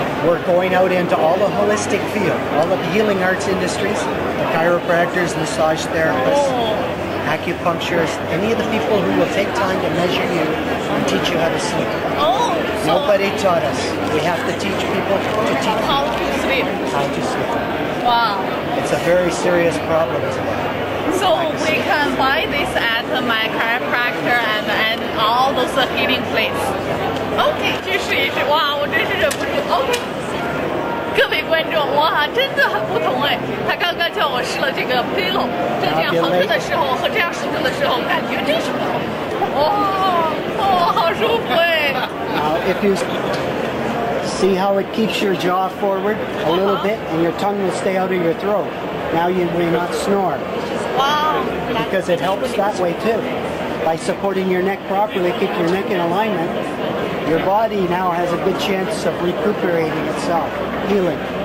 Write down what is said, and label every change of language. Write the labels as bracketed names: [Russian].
[English] We're going out into all the holistic field, all of the healing arts industries, the chiropractors, massage therapists, acupuncturists, any of the people who will take time to measure you and teach you how to sleep. Nobody taught us. We have to teach people to teach how to sleep. How to sleep. Wow. It's a very serious problem today. So we can buy this at my chiropractor and all those healing places. [Chinese] Okay, 去试一试，哇，我真是忍不住。Okay, 各位观众，哇，真的很不同哎。他刚刚叫我试了这个 pillow，这样横着的时候和这样竖着的时候，感觉真是不同。哇，哦，好舒服哎。 [English] Now, if you see how it keeps your jaw forward a little bit, and your tongue will stay out of your throat, now you may not snore. Wow. Because it helps that way too. By supporting your neck properly, keep your neck in alignment, your body now has a good chance of recuperating itself, healing.